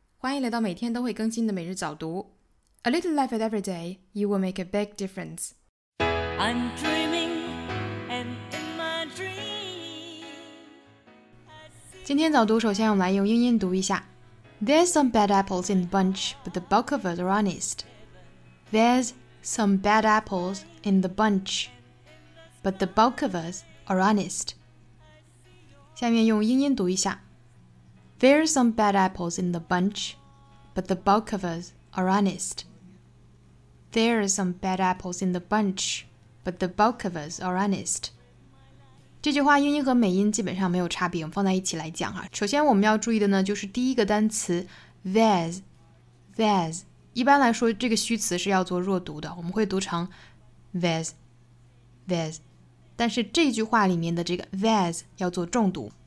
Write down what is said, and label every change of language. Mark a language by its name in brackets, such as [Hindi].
[Chinese] 欢迎来到每天都会更新的每日早读。 [English] A little life at every day, you will make a big difference. I'm dreaming, and in my dream. [Chinese] 今天早读首先我们来用英音读一下。 [English] There's some bad apples in the bunch, but the bulk of us are honest. There's some bad apples in the bunch, but the bulk of us are honest. [Chinese] 下面用英音读一下。 [English] There's some bad apples in the bunch, but the bulk of us are honest. There's some bad apples in the bunch, but the bulk of us are honest. [Chinese] 这句话英音和美音基本上没有差别，我们放在一起来讲哈。首先我们要注意的呢，就是第一个单词 there's。一般来说，这个虚词是要做弱读的，我们会读成 there's。但是这句话里面的这个 there's 要做重读。